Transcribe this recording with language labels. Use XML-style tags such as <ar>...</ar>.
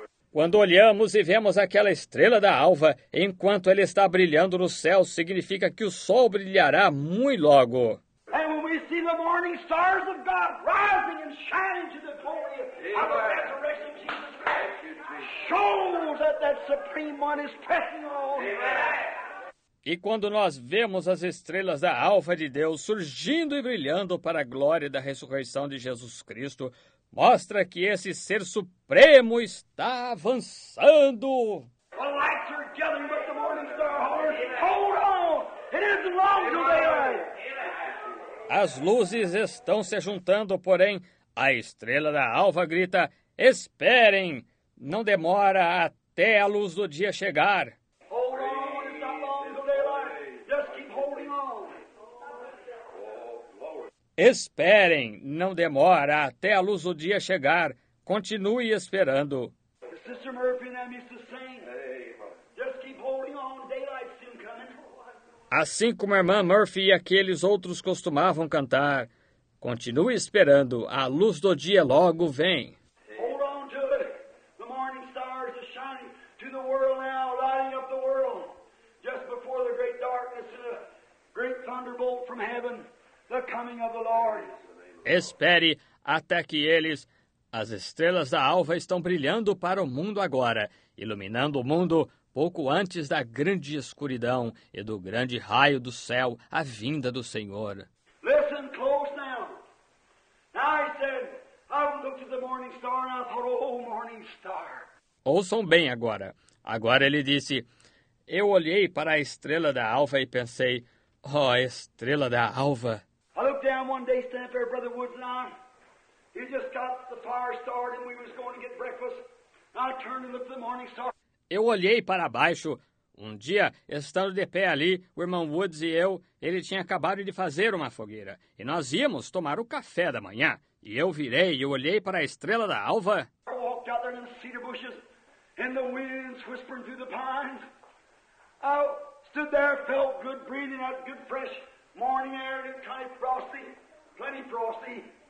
<pt>Quando olhamos e vemos aquela estrela da alva, enquanto ela está brilhando no céu, significa que o sol brilhará muito logo. E quando vemos as</pt> <en>morning stars of God rising and shining to the glory of the resurrection of Jesus Christ, shows that that supreme one is pressing on.</en> <pt>E quando nós vemos as estrelas da alva de Deus surgindo e brilhando para a glória da ressurreição de Jesus Cristo, mostra que esse ser supremo está avançando.</pt> <en>The lights are gathering, but the morning star hollers. Hold on! It isn't long to the end.</en> <pt>As luzes estão se juntando, porém, a estrela da alva grita, esperem! Não demora até a luz do dia chegar.</pt> <en>Hold on, it's not long to daylight. Just keep holding on. Oh, glory.</en> <pt>Esperem, não demora até a luz do dia chegar. Continue esperando.</pt> <en>Sister Murphy and Mr. Saint, just keep holding on, daylight's soon coming.</en> <pt>Assim como a irmã Murphy e aqueles outros costumavam cantar, continue esperando, a luz do dia logo vem.</pt> <en>Hold on to it, the morning stars are shining to the world now, lighting up the world. Just before the great darkness and a great thunderbolt from heaven, the coming of the Lord.</en> <pt>Espere até que eles... As estrelas da alva estão brilhando para o mundo agora, iluminando o mundo pouco antes da grande escuridão e do grande raio do céu, a vinda do Senhor.</pt> <en>Listen close now. Now I said, I looked at the morning star and I thought, oh, morning star.</en> <pt>Ouçam bem agora. Agora ele disse, eu olhei para a estrela da alva e pensei, oh, estrela da alva.</pt> <en>I looked down one day, standing there, Brother Woods and I. He just got the fire started and we was going to get breakfast. I turned and looked at the morning star.</en> <pt>Eu olhei para baixo. Um dia, estando de pé ali, o irmão Woods e eu, ele tinha acabado de fazer uma fogueira. E nós íamos tomar o café da manhã. E eu virei e olhei para a estrela da alva.</pt> <en>I walked out there in the cedar bushes and the winds whispering through the pines. I stood there, felt good breathing, that good fresh morning air, and kind of frosty, plenty frosty.</en>